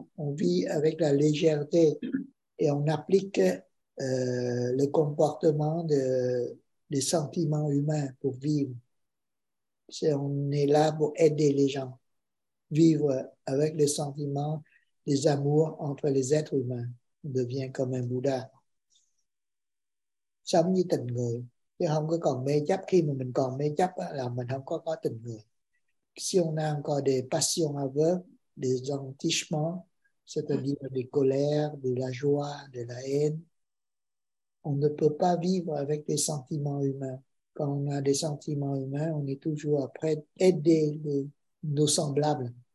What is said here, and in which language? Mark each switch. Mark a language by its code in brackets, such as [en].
[fr] On vit avec la légèreté et on applique le comportement des sentiments humains pour vivre. C'est, on est là pour aider les gens, vivre avec les sentiments, les amours entre les êtres humains. On devient comme un Bouddha. [vi] Sống như tình người, chứ không có còn mê chấp. Khi mà mình còn mê chấp là mình không có tình người. [fr] Si on a encore des passions aveugles, des entichements, c'est-à-dire des colères, de la joie, de la haine, on ne peut pas vivre avec des sentiments humains. Quand on a des sentiments humains, on est toujours prêt à aider nos semblables.